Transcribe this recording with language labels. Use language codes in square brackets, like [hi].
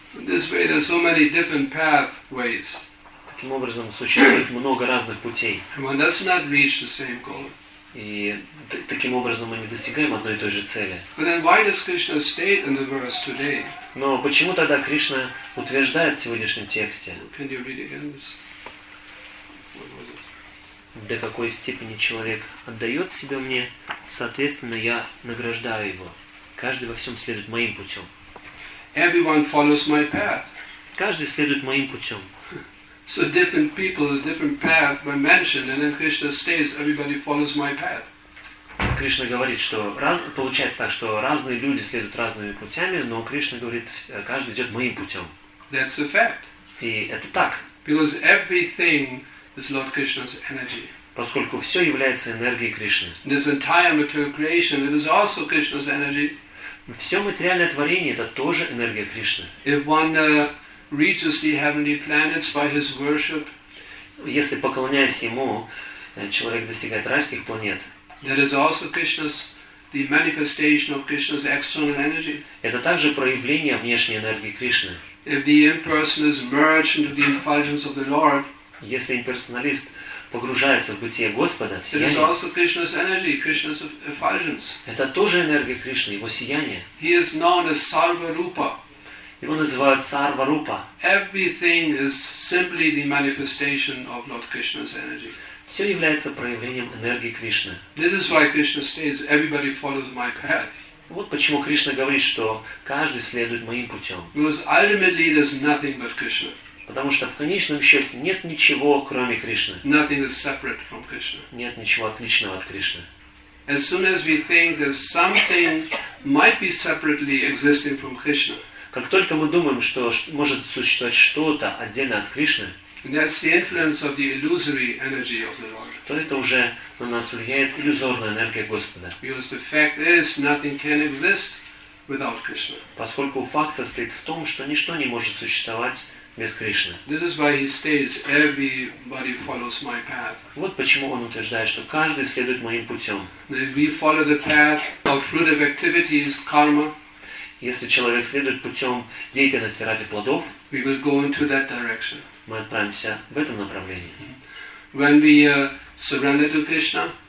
[en] This way there are so many different pathways. [ru] Таким образом, существует много разных путей. [en] One does not reach the same goal. [ru] И таким образом мы не достигаем одной и той же цели. [en] But then why does Krishna state in the verse today? [ru] Но почему тогда Кришна утверждает в сегодняшнем тексте? [en] Can you read again this? [ru] До какой степени человек отдает себя мне, соответственно, я награждаю его. Каждый во всем следует моим путем. [en] Everyone follows my path. [ru] Каждый следует моим путем. [en] So different people, the different path were mentioned, and then Krishna says, everybody follows my path. [ru] Кришна говорит, что получается так, что разные люди следуют разными путями, но Кришна говорит, каждый идет моим путем. [en] That's a fact. [ru] И это так. [en] Because everything is Lord Krishna's energy. [ru] Поскольку все является энергией Кришны. [en] This entire material creation, it is also Krishna's energy. [ru] Все материальное творение, это тоже энергия Кришны. [en] If one reaches the heavenly planets by his worship. [ru] Если поклоняясь ему, человек достигает райских планет. [en] That is also Krishna's the manifestation of Krishna's external energy. [ru] Это также проявление внешней энергии Кришны. [en] If the impersonal is merged into the effulgence of the Lord. [ru] Если имперсоналист погружается в бытие Господа, в сияние. [en] It is also Krishna's energy, Krishna's effulgence. [ru] Это тоже энергия Кришны, его сияние. [en] He is known as Sarva Rupa. [ru] Его называют Сарварупа. [en] Everything is simply the manifestation of Lord Krishna's energy. [ru] Все является проявлением энергии Кришны. [en] This is why Krishna says, everybody follows my path. [ru] Вот почему Кришна говорит, что каждый следует моим путем. [en] Because ultimately there's nothing but Krishna. [ru] Потому что в конечном счете нет ничего, кроме Кришны. [en] Nothing is separate from Krishna. [ru] Нет ничего отличного от Кришны. [en] As soon as we think that something might be separately existing from Krishna. [ru] Как только мы думаем, что может существовать что-то отдельно от Кришны, [en] that's the influence of the illusory energy of the Lord. [ru] То это уже на нас влияет иллюзорная энергия Господа. [en] Because the fact is, nothing can exist without Krishna. [ru] Поскольку факт состоит в том, что ничто не может существовать без Кришны. [en] This is why he states, everybody follows my path. [ru] Вот почему он утверждает, что каждый следует моим путем. [en] If we follow the path of fruitive activities, karma. [ru] Если человек следует путем деятельности ради плодов, [en] we will go into that direction. [ru] Мы отправимся в этом направлении. [en] When we surrender to Krishna,